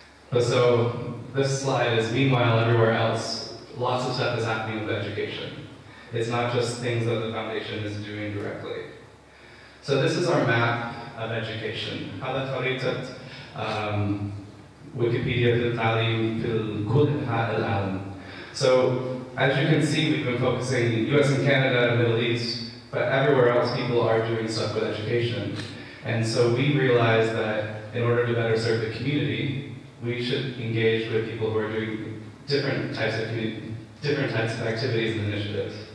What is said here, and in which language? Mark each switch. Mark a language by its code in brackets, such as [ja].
[en] But so, this slide is, meanwhile, everywhere else, lots of stuff is happening with education. It's not just things that the foundation is doing directly. So this is our map of education. [ar] هذا خريطة Wikipedia في التعليم في كل أنحاء العالم. [en] So as you can see, we've been focusing US and Canada and Middle East, but everywhere else people are doing stuff with education. And so we realized that in order to better serve the community, we should engage with people who are doing different types of activities and initiatives.